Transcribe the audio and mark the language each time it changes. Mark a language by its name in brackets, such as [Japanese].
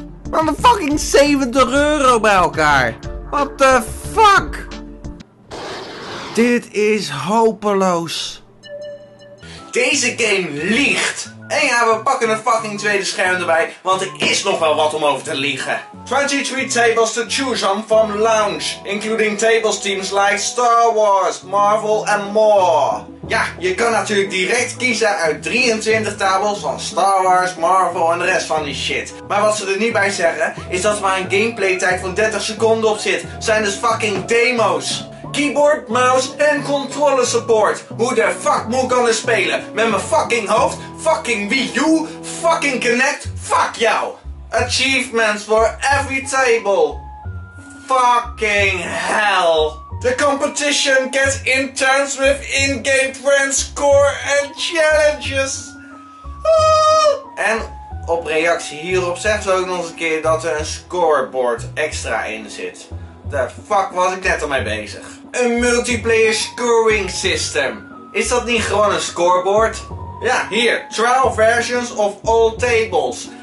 [Dutch] Van de fucking 70 euro bij elkaar! [English] What the fuck? [Dutch] Dit is hopeloos. Deze game liegt! En ja, we pakken een fucking tweede scherm erbij, want er is nog wel wat om over te liegen. [English] 23 tables to choose on from launch, including tables teams like Star Wars, Marvel and more. [Dutch] Ja, je kan natuurlijk direct kiezen uit 23 tables van Star Wars, Marvel en de rest van die shit. Maar wat ze er niet bij zeggen, is dat er maar een gameplaytijd van 30 seconden op zit. Zijn dus fucking demo's. Keyboard, mouse en [English] controller support. [Dutch] Hoe de fuck moet ik anders spelen? Met mijn fucking hoofd, fucking Wii U, fucking Kinect, fuck jou! [English] Achievements for every table. Fucking hell. The competition gets intense with in-game friends, score and challenges. [Dutch] En op reactie hierop zegt ze ook nog eens een keer dat er een scoreboard extra in zit. [English] The fuck [Dutch] was ik net al mee bezig. Een [English] multiplayer scoring system. [Dutch] Is dat niet gewoon een scoreboard? Ja, hier. [English] Trial versions of all tables.